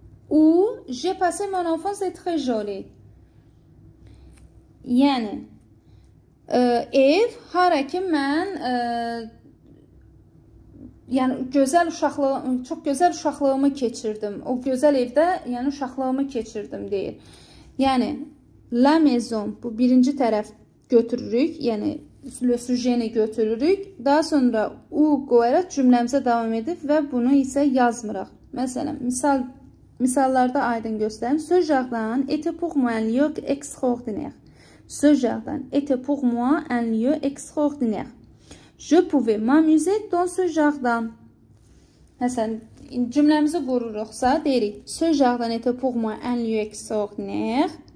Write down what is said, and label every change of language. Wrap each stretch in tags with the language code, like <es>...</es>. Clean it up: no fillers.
<fr>Où j'ai passé mon enfance est très jolie.</fr> <az>Yani ev hara ki mən yani</az> <tr>çok güzel</tr> <az>uşaqlığımı keçirdim. O güzel evde yani uşaqlığımı keçirdim deyir. Yani</az> <fr>la maison</fr> <az>bu birinci tərəf götürürük. Yani le sujeni götürürük. Daha sonra u qoyaraq cümləmizə davam edib və bunu isə yazmıraq. Məsələn, misallarda aydın göstərim.</az> <fr>Ce jardin était pour moi un lieu extraordinaire. Ce jardin était pour moi un lieu extraordinaire. Je pouvais m'amuser dans ce jardin.</fr> <az>Məsələn, cümləmizi qururuqsa deyirik.</az> <fr>Ce jardin était pour moi un lieu extraordinaire.</fr>